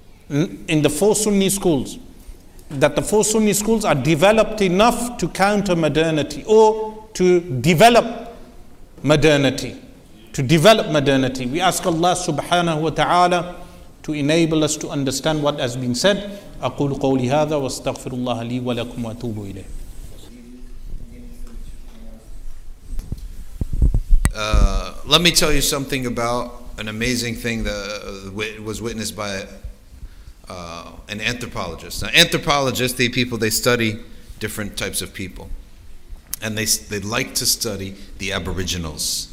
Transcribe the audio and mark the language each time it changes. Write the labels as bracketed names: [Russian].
[English] In the four Sunni schools. That the four Sunni schools are developed enough to counter modernity, or to develop modernity. To develop modernity. We ask Allah subhanahu wa ta'ala to enable us to understand what has been said. [Arabic] أقول قولي هذا واستغفر الله لي ولكم واتوب إليه. [English] Let me tell you something about an amazing thing that was witnessed by an anthropologist. Now, anthropologists, the people, they study different types of people, and they like to study the aboriginals.